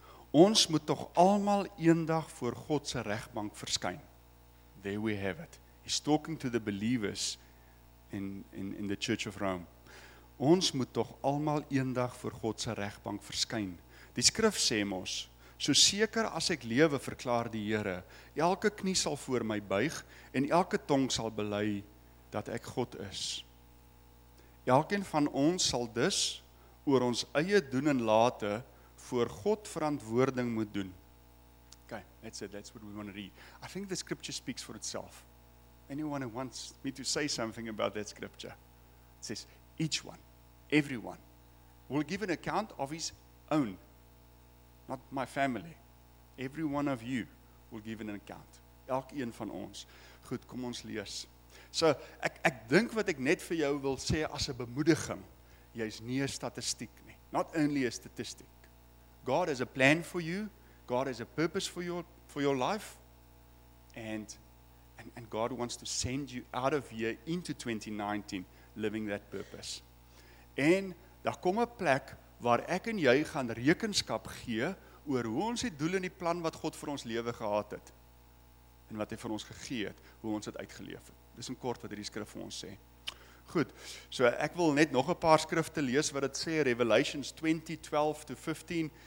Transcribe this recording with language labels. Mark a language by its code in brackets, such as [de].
[af] Ons moet tog almal eendag voor God se regbank verskyn. [en] There we have it. He's talking to the believers in the Church of Rome. [af] Ons moet tog almal eendag voor God se regbank verskyn. Die skrif sê mos, so seker as ek lewe, verklaar die Here, elke knie sal voor my buig en elke tong sal bely dat ek God is. Elkeen van ons sal dus oor ons eie doen en late voor God verantwoording moet doen. [en] Okay, that's it, that's what we want to read. I think the scripture speaks for itself. Anyone who wants me to say something about that scripture? It says, each one, everyone, will give an account of his own. Not my family. Every one of you will give an account. [af] Elkeen van ons. Goed, kom ons lees. So, ek dink wat ek net vir jou wil sê as 'n bemoediging, jy is nie 'n statistiek nie. [en] Not only a statistic. God has a plan for you. God has a purpose for your life. And God wants to send you out of here into 2019 living that purpose. [af] En daar kom 'n plek waar ek en jy gaan rekenskap gee oor hoe ons die doel en die plan wat God vir ons lewe gehad het en wat hy vir ons gegee het, hoe ons dit uitgeleef het. Dis in kort wat hierdie skrif vir ons sê. Goed, so ek wil net nog 'n paar skrifte lees wat dit sê, Revelations 20, 12 to 15.